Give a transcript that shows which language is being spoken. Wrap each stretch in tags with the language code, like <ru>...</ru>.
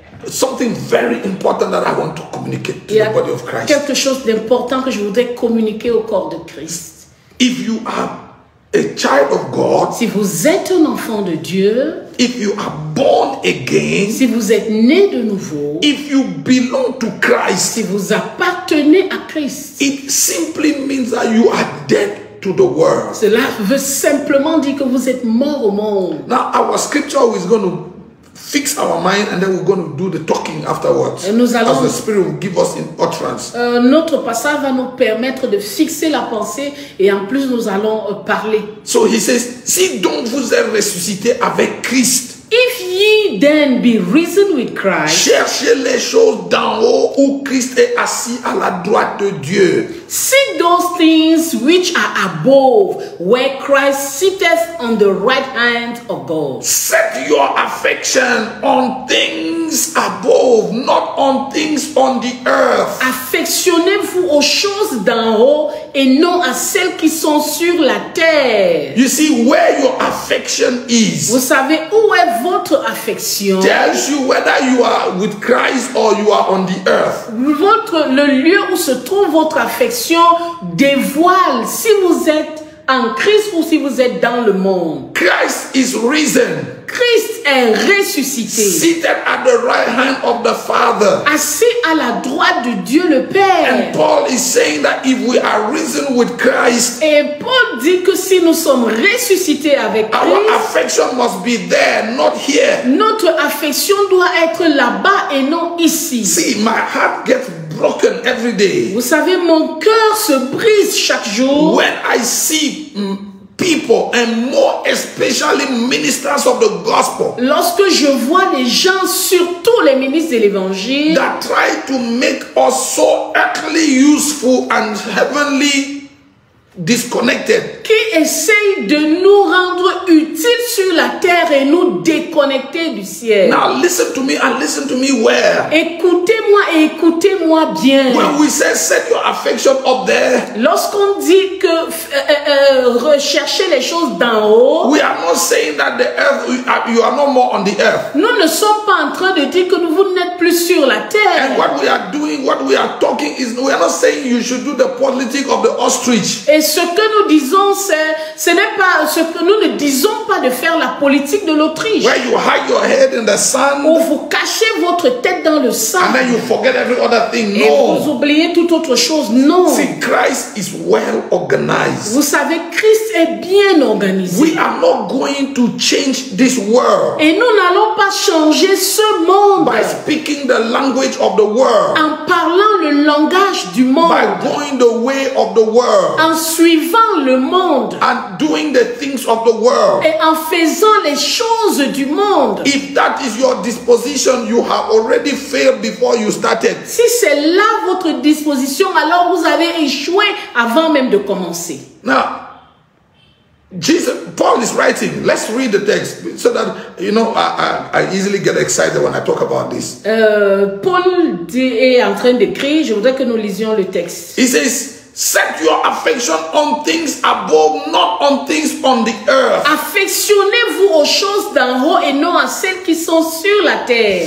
<en>Something very important that I want to communicate to the body of Christ.</en> <fr>Quelque chose d'important que je voudrais communiquer au corps de Christ.</fr> <en>If you are a child of God,</en> <fr>si vous êtes un enfant de Dieu,</fr> <en>if you are born again,</en> <fr>si vous êtes né de nouveau,</fr> <en>if you belong to Christ,</en> <fr>si vous appartenez à Christ,</fr> <en>it simply means that you are dead to the world.</en> <fr>Cela veut simplement dire que vous êtes mort au monde.</fr> <en>Now our scripture is going to fix our mind and then we're going to do the talking afterwards.</en> <fr>Et nous allons,</fr> <en>as the Spirit will give us in utterance.</en> <fr>Notre passage va nous permettre de fixer la pensée et en plus nous allons parler.</fr> <en>So he says,</en> <fr>si donc vous êtes ressuscité avec Christ,</fr> <en>if ye then be risen with Christ,</en> <fr>cherchez les choses d'en haut où Christ est assis à la droite de Dieu.</fr> <en>Seek those things which are above, where Christ sitteth on the right hand of God. Set your affection on things above, not on things on the earth.</en> <fr>Affectionnez-vous aux choses d'en haut et non à celles qui sont sur la terre.</fr> <en>You see where your affection is.</en> <fr>Vous savez où est votre affection.</fr> <en>Tells you whether you are with Christ or you are on the earth.</en> <fr>Le lieu où se trouve votre affection dévoile si vous êtes en Christ ou si vous êtes dans le monde.</fr> <en>Christ is risen.</en> <fr>Christ est ressuscité.</fr> <en>Seated at the right hand of the Father.</en> <fr>Assis à la droite de Dieu le Père.</fr> <en>And Paul is saying that if we are risen with Christ,</en> <fr>et Paul dit que si nous sommes ressuscités avec Christ,</fr> <en>our affection must be there, not here.</en> <fr>Notre affection doit être là-bas et non ici.</fr> <en>See, my heart gets broken every day.</en> <fr>Vous savez, mon cœur se brise chaque jour.</fr> <en>When I see people and more especially ministers of the gospel.</en> <fr>Lorsque je vois des gens, surtout les ministres de l'évangile,</fr> <en>that try to make us so utterly useful and heavenly disconnected.</en> <fr>Qui essaye de nous rendre utiles sur la terre et nous déconnecter du ciel.</fr> <en>Now listen to me and listen to me well.</en> <fr>Écoutez-moi et écoutez-moi bien.</fr> <en>When we say set your affection up there.</en> <fr>Lorsqu'on dit que recherchez les choses d'en haut.</fr> <en>We are not saying that the earth, you are no more on the earth.</en> <fr>Nous ne sommes pas en train de dire que vous n'êtes plus sur la terre.</fr> <en>And what we are doing, what we are talking is, we are not saying you should do the politics of the ostrich.</en> <fr>Et ce que nous disons, c'est, ce n'est pas, ce que nous ne disons pas de faire la politique de l'autriche.</fr> <en>Where you hide your head in the sand,</en> <fr>où vous cachez votre tête dans le sable.</fr> <en>And then you forget every other thing.</en> <fr>Et</fr> <en>no.</en> <fr>Vous oubliez toute autre chose. Non.</fr> <en>See, Christ is well organized.</en> <fr>Vous savez, Christ est bien organisé.</fr> <en>We are not going to change this world.</en> <fr>Et nous n'allons pas changer ce monde.</fr> <en>By speaking the language of the world.</en> <fr>En parlant le langage du monde.</fr> <en>By going the way of the world.</en> <fr>En suivant le monde.</fr> <en>And doing the things of the world.</en> <fr>Et en faisant les choses du monde.</fr> <en>If that is your disposition, you have already failed before you started.</en> <fr>Si c'est là votre disposition, alors vous avez échoué avant même de commencer.</fr> <en>Now, Jesus, Paul is writing. Let's read the text so that you know I easily get excited when I talk about this.</en> <fr>Paul est en train d'écrire. Je voudrais que nous lisions le texte.</fr> <en>He says, set your affection on things above, not on things on the earth.</en> <fr>Affectionnez-vous aux choses d'en haut et non à celles qui sont sur la terre.</fr>